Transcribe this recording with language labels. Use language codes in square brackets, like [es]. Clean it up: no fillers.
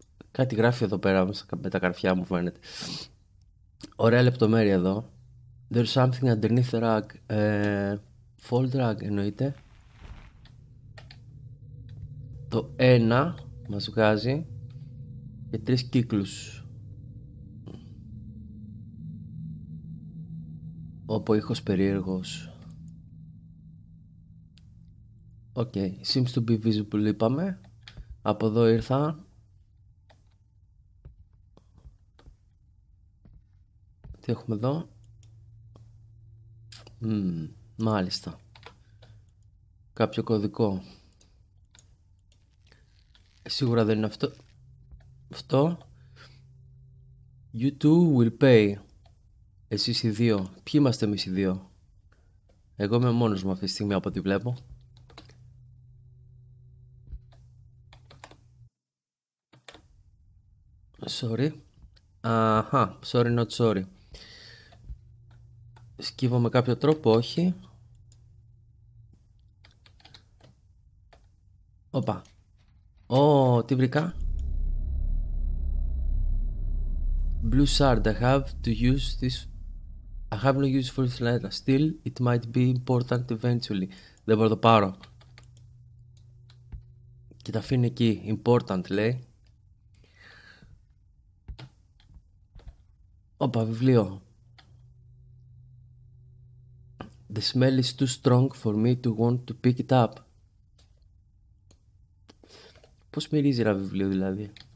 [el] Κάτι γράφει εδώ πέρα με τα καρφιά μου, φαίνεται. Ωραία λεπτομέρεια εδώ. [en] There's something underneath the rug. Fold rug [el] εννοείται. Το ένα μας βγάζει και τρεις κύκλους. Όπου ήχος περίεργος. [en] Οκ, seems to be visible, [el] είπαμε. Από εδώ ήρθα. Τι έχουμε εδώ? Μάλιστα. Κάποιο κωδικό. Σίγουρα δεν είναι αυτό. Αυτό. [en] You two will pay. [el] Εσείς οι δύο. Ποιοι είμαστε εμείς οι δύο? Εγώ είμαι μόνος μου αυτή τη στιγμή από ό,τι βλέπω. [en] Sorry. Αχα, sorry not sorry. [el] Σκύβω με κάποιο τρόπο, όχι. Οπα. Ω, τι βρήκα? [en] Blue shard, I have to use this. I have no use for this letter. Still, it might be important eventually. [el] Δεν μπορώ να το πάρω. Και τα αφήνει εκεί. Important, λέει. Όπα, βιβλίο. [en] The smell is too strong for me to want to pick it up. [el] Πώς μυρίζει ένα βιβλίο δηλαδή?